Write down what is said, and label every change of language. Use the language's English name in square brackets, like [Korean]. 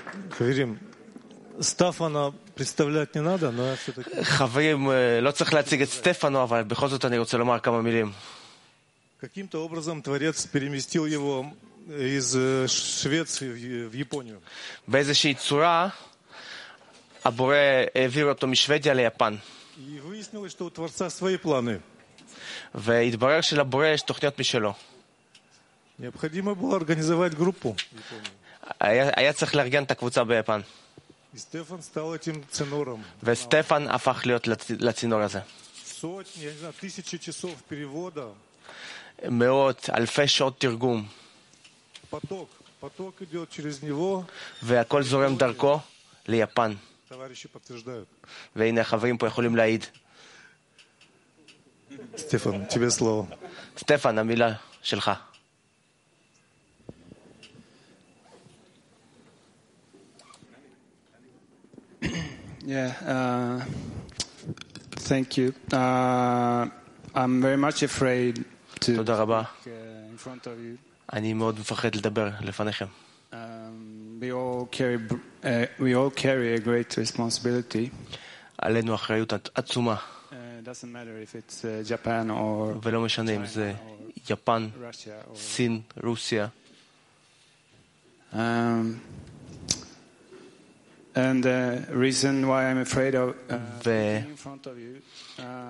[Russian] Хаверим, Стефана представлять не надо, но я все-таки... [Hebrew] Хаверим, לא צריך להציג את סטפנו, אבל בכל זאת אני רוצה לומר כמה מילים. [Russian] Каким-то образом творец переместил его из Швеции в Японию. [Hebrew] באיזושהי צורה, הבורא העביר אותו משוודיה ליפן. [Russian] И выяснилось, что у творца свои планы. [Hebrew] והתברר שלבורא יש תוכניות משלו. [Russian] Необходимо было организовать группу. [Hebrew] היה צריך לארגן את הקבוצה ביפן. [Russian] סטפן стал этим ценором. [Hebrew] וסטפן הפך להיות לצינור הזה. [Russian] Сотни, я не знаю, тысячи часов перевода. [Hebrew] מאות, אלפי שעות תרגום. [Russian] Поток, поток идёт через него. [Hebrew] והכל זורם דרכו ליפן. [Russian] Товарищи подтверждают. [Hebrew] והנה החברים פה יכולים להעיד. [Russian] Стефан, тебе слово. [Hebrew] Стефан, המילה שלך. [English] Yeah, thank you. I'm very much afraid to [Hebrew] תודה רבה. [English] In front of you. [Hebrew] אני מאוד מפחד לדבר לפניכם. [English] We all carry a great responsibility. [Hebrew] עלינו אחריות עצומה. [English] Doesn't matter if it's Japan or [Hebrew] ולא משנה אם זה יפן, סין, רוסיה. [English] And the reason why I'm afraid of in front of you